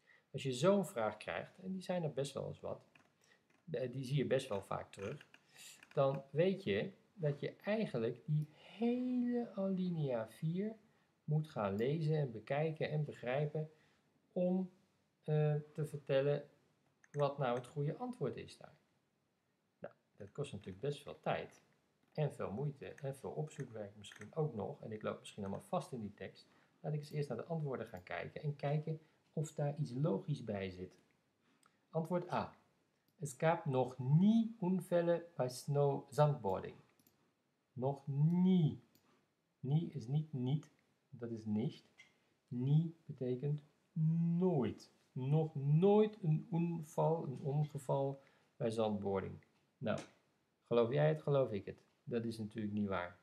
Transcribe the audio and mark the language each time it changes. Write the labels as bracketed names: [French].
[Dutch] Als je zo'n vraag krijgt, en die zijn er best wel eens wat, die zie je best wel vaak terug, dan weet je dat je eigenlijk die hele alinea 4 moet gaan lezen en bekijken en begrijpen om te vertellen wat nou het goede antwoord is daar. Nou, dat kost natuurlijk best veel tijd en veel moeite en veel opzoekwerk misschien ook nog. En ik loop misschien allemaal vast in die tekst. Laat ik eens eerst naar de antwoorden gaan kijken en kijken of daar iets logisch bij zit. Antwoord A. [German] Es gab noch nie Unfälle bei Snow-Sandboarding. [Dutch] Nog nie. Nie is niet niet, dat is nicht. Nie betekent nooit. Nog nooit een ongeval bij zandboarding. Nou, geloof jij het, geloof ik het. Dat is natuurlijk niet waar.